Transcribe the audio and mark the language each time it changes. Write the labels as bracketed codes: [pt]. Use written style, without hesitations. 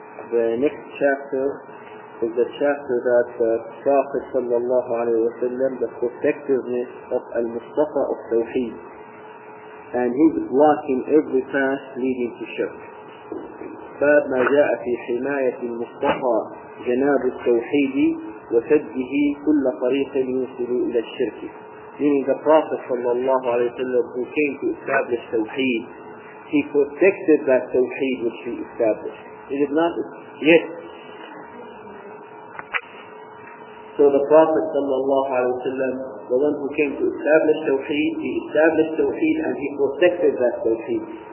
[en] The next chapter is the chapter that the Prophet sallallahu alaihi wasallam, the protectiveness of al-Mustafa of Tawheed, and he's blocking every path leading to shirk. [ar] باب ما جاء في حماية المصطفى جناب التوحيد وسده كل طريق يوصل إلى الشرك. [en] Meaning the Prophet sallallahu alaihi wasallam, who came to establish Tawheed, he protected that Tawheed which he established. Is it not? Yes. So the Prophet sallallahu alaihi wasallam, the one who came to establish Tawheed, he established Tawheed and he protected that Tawheed.